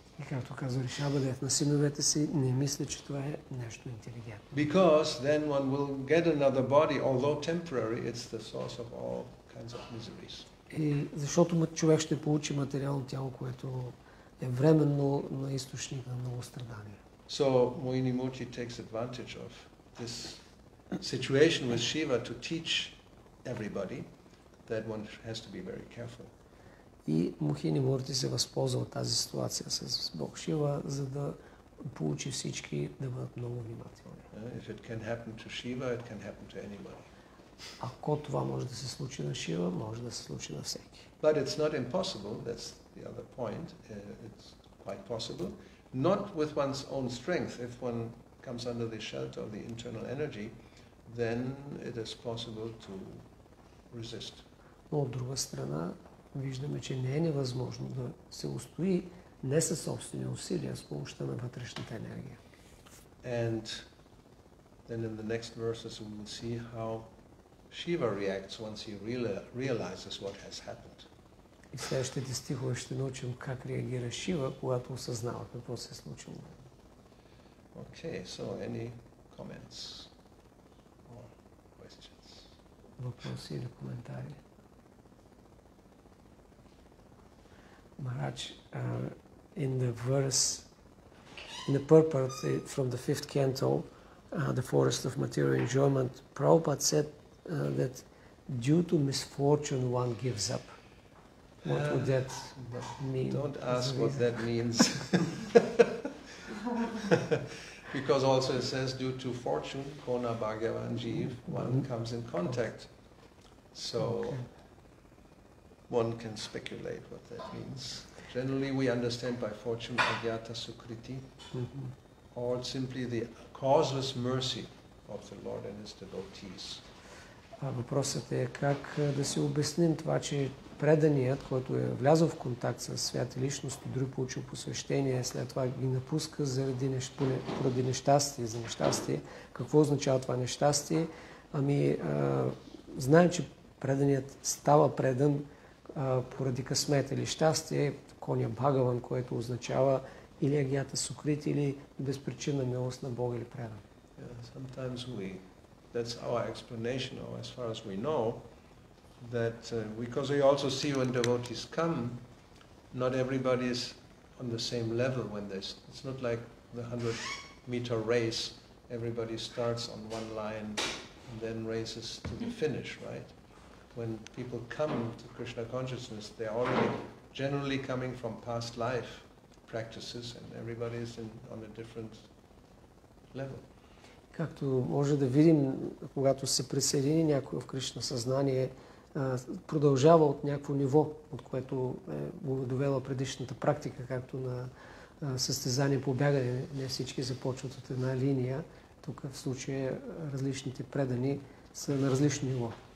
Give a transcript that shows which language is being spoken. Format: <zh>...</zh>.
<bg>И както казва Ришабадев на синовете си, не мисля, че това е нещо интелигентно.</bg> <en>Because then one will get another body, although temporary, it's the source of all kinds of miseries.</en> <bg>И защото човек ще получи материално тяло, което е временно на източник на много страдания.</bg> <en>So Mohini Murti takes advantage of this situation with Shiva to teach everybody that one has to be very careful.</en> <bg>И Мохини Мурти се възползва от тази ситуация с Бог Шива, за да получи всички да бъдат много внимателни.</bg> <en>If it can happen to Shiva, it can happen to anybody.</en> <bg>Ако това може да се случи на Шива, може да се случи на всеки.</bg> <en>But it's not impossible, that's the other point. It's quite possible. Not with one's own strength. If one comes under the shelter of the internal energy, then it is possible to resist.</en> <bg>Но от друга страна, виждаме, че не е невъзможно да се устои не със собствени усилия, а с помощта на вътрешната енергия.</bg> <en>And then in the next verses we will see how Shiva reacts once he realizes what has happened.</en> <bg>И в следващите стихове ще научим как реагира Шива, когато осъзнава какво се е случило.</bg> <en>Okay, so any comments or questions?</en> <bg>Въпроси или коментари?</bg> <en>Maharaj, in the verse, in the purport from the fifth canto, the forest of material enjoyment, Prabhupada said that due to misfortune one gives up. What would that mean? Don't ask what that means. Because also it says due to fortune,</en> <bn>kona bhagyavan jeev,</bn> <en>one comes in contact. So one can speculate what that means. Generally we understand by fortune agyata sukriti, or simply the causeless mercy of the Lord and his devotees.</en> <bg>Въпросът е как да си обясним това, че преданият, който е влязъл в контакт с свят личност и друг получил посвещение, след това ги напуска заради нещастие, за нещастие. Какво означава това нещастие? Ами, знаем, че преданият става предан поради късмет или щастие, коня Бхагаван, което означава или агията сукрит, или безпричина милост на Бог или предан.</bg> <en>Sometimes we, that's our explanation, or as far as we know, that because we also see when devotees come, not everybody is on the same level when they, it's not like the 100 meter race, everybody starts on one line and then races to the finish, right? When people come to Krishna consciousness, they are already generally coming from past life practices and everybody is in, on a different level.</en> <bg>Както може да видим, когато се присъедини някой в Кришна съзнание, продължава от някакво ниво, от което е довела предишната практика, както на състезание по бягане. Не всички започват от една линия. Тук в случая различните предани са на различно ниво.</bg>